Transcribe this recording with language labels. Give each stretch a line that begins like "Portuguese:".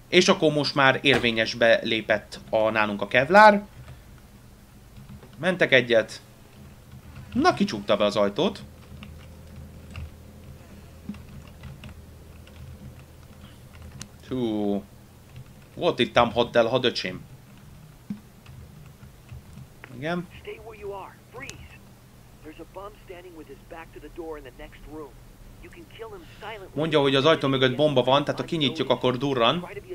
Hungarian: És akkor most már érvényesbe lépett a nálunk a Kevlar. Mentek egyet. Na, kicsukta be az ajtót. Hú. Volt itt ám hotel, ha döcsém. Igen.
English: Stay where you are. Freeze. There's a bomb standing with his back to the door in the next room. You can kill him silently.
Hungarian: Mondja, hogy az ajtó mögött bomba van, tehát ha kinyitjuk, akkor durran.